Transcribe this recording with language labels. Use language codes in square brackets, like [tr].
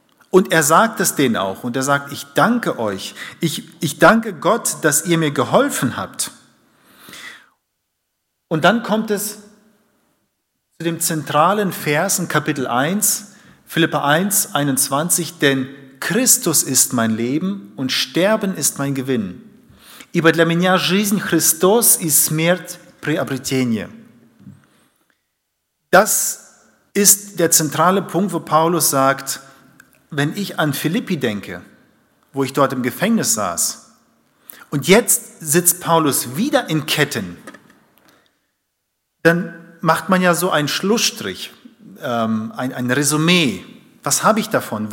[de] Und er sagt es denen auch und er sagt, ich danke euch, ich danke Gott, dass ihr mir geholfen habt. Und dann kommt es zu dem zentralen Vers in Kapitel 1, Philipper 1, 21, denn Christus ist mein Leben und Sterben ist mein Gewinn. [ru] Ибо для меня жизнь Христос и смерть приобретение. [de] Das ist der zentrale Punkt, wo Paulus sagt, wenn ich an Philippi denke, wo ich dort im Gefängnis saß, und jetzt sitzt Paulus wieder in Ketten, dann macht man ja so einen Schlussstrich, ein Resümee. Was habe ich davon?